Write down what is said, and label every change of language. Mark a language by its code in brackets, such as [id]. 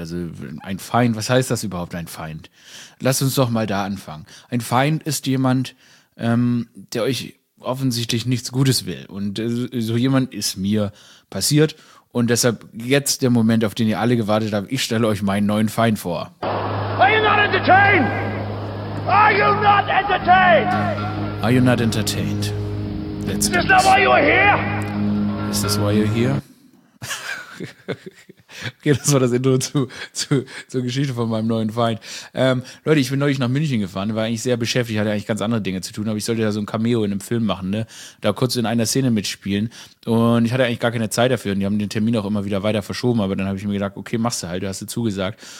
[de] Also ein Feind, was heißt das überhaupt, ein Feind? Lass uns doch mal da anfangen. Ein Feind ist jemand, der euch offensichtlich nichts Gutes will. Und so jemand ist mir passiert. Und deshalb jetzt der Moment, auf den ihr alle gewartet habt. Ich stelle euch meinen neuen Feind vor. [en] Are you not entertained? Are you not entertained? Are you not entertained? Is this not why you are here? Is this why you're here? [de] Okay, das war das Intro zur Geschichte von meinem neuen Feind. Leute, ich bin neulich nach München gefahren, war eigentlich sehr beschäftigt, hatte eigentlich ganz andere Dinge zu tun, aber ich sollte da so ein Cameo in einem Film machen, ne? Da kurz in einer Szene mitspielen. Und ich hatte eigentlich gar keine Zeit dafür und die haben den Termin auch immer wieder weiter verschoben, aber dann habe ich mir gedacht, okay, machst du halt, du hast dir zugesagt.